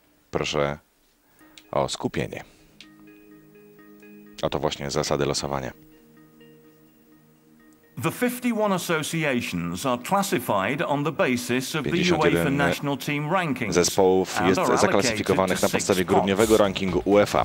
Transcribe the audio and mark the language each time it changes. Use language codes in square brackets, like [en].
[pl] Proszę o skupienie. Oto właśnie zasady losowania. [en] The 51 associations are classified on the basis of the UEFA national team rankings. [pl] Zespołów jest zaklasyfikowanych na podstawie grudniowego rankingu UEFA.